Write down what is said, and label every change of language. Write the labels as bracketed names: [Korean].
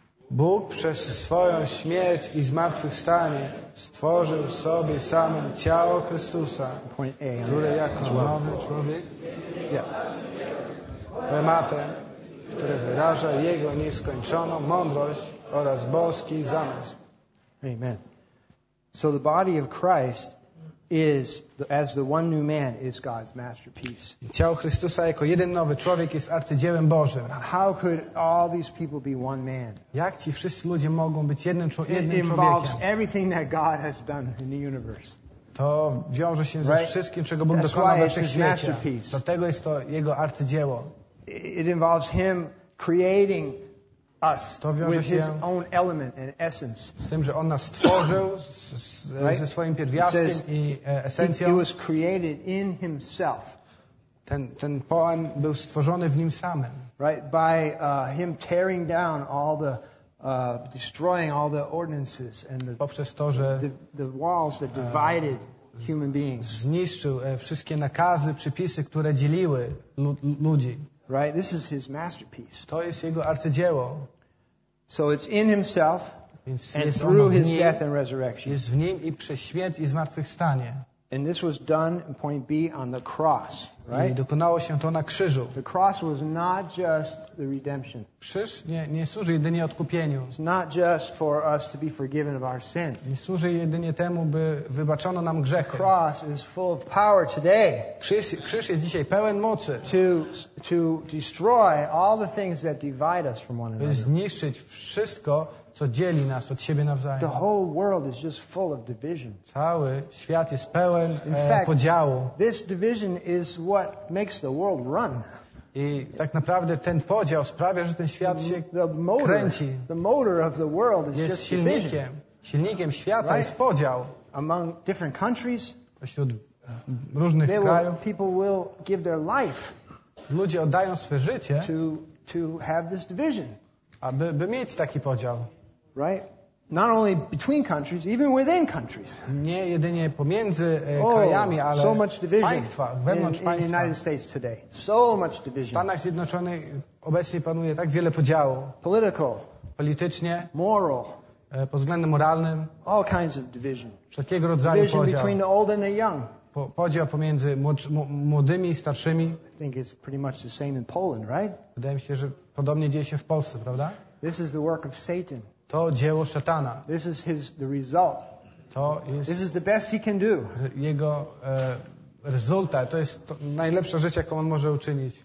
[Polish] Bóg przez swoją śmierć i zmartwychwstanie stworzył sobie samym ciało Chrystusa, [English] point A, [Polish] które jako nowy człowiek tematem, który wyraża Jego nieskończoną mądrość oraz boski zamysł. [English] Amen. So the body of Christ is, as the one new man, is God's masterpiece. [Polish] Ciało Chrystusa jako jeden nowy człowiek jest arcydziełem Bożym. [English] How could all these people be one man? [Polish] Jak ci wszyscy ludzie mogą być jednym człowiekiem? [English] It involves everything that God has done in the universe. [Polish] To wiąże się ze wszystkim, czego Bóg dokonał na wszechświecie. Dlatego jest to Jego arcydzieło. [English] It involves Him creating us with His own element and essence. [Polish] Z tym, że On nas stworzył ze swoim pierwiastkiem i esencją. [English] He was created in Himself. [Polish] Ten poem był stworzony w Nim samym. [English] Right? By Him tearing down all the destroying all the ordinances and the walls that divided human beings. [Polish] Zniszczył wszystkie nakazy, przepisy, które dzieliły ludzi. [English] Right? This is His masterpiece. [Polish] To jest Jego arcydzieło. [English] So it's in Himself and through His death and resurrection. [Polish] Jest w Nim i przez śmierć i zmartwychwstanie. [English] And this was done in point B on the cross. Right? [Polish] I dokonało się to na krzyżu. [English] The cross was not just the redemption. [Polish] Krzyż nie służy jedynie odkupieniu. [English] It's not just for us to be forgiven of our sins. [Polish] Nie służy jedynie temu, by wybaczono nam grzechy. [English] The cross is full of power today. [Polish] Krzyż jest dzisiaj pełen mocy. [English] To destroy all the things that divide us from one another. [Polish] By zniszczyć wszystko, co dzieli nas od siebie nawzajem. [English] The whole world is just full of division. [Polish] Cały świat jest pełen podziału. [English] This division is what makes the world run. [Polish] I tak naprawdę ten podział sprawia, że ten świat się kręci. [English] The motor of the world is [Polish] jest [English] just [Polish] silnikiem. [English] Division. [Polish] Silnikiem świata [English] right? [Polish] jest podział. [English] Among different countries, [Polish] pośród różnych krajów, [English] people will give their life. [Polish] Ludzie oddają swoje życie [English] to have this division. [Polish] Aby mieć taki podział. [English] Right? Not only between countries, even within countries. [Polish] Nie jedynie pomiędzy krajami, ale [English] so much division [Polish] wewnątrz państwa. [English] In the United States today. So much division. [Polish] W Stanach Zjednoczonych obecnie panuje tak wiele podziału. [English] Political. [Polish] Politycznie. [English] Moral. [Polish] Pod względem moralnym. [English] All kinds of division. [Polish] Wszelkiego rodzaju podział. [English] Division between the old and the young. [Polish] Podział pomiędzy młodymi i starszymi. [English] I think it's pretty much the same in Poland, right? [Polish] Wydaje mi się, że podobnie dzieje się w Polsce, prawda? [English] This is the work of Satan. [Polish] To dzieło szatana. [English] This is the result. [Polish] To jest [English] this is the best he can do. [Polish] Jego rezultat. To jest najlepsza rzecz, jaką on może uczynić.